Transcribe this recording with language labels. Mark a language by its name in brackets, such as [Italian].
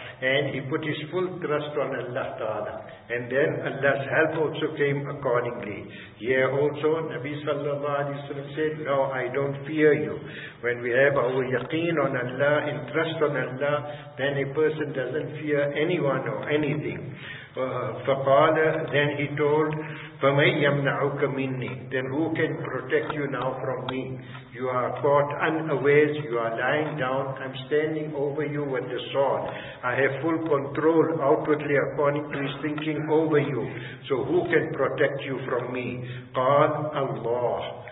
[English] And he put his full trust on Allah Ta'ala. And then Allah's help also came accordingly. Here also Nabi sallallahu alayhi wa sallam said, No, I don't fear you. When we have our yaqeen on Allah and trust on Allah, then a person doesn't fear anyone or anything. [Arabic] فَقَالَ [English] Then he told, [Arabic] فَمَنْ يَمْنَعُكَ مِنِّي. [English] Then who can protect you now from me? You are caught unawares, you are lying down, I'm standing over you with the sword. I have full control outwardly according to his thinking over you. So who can protect you from me? [Arabic] قال الله.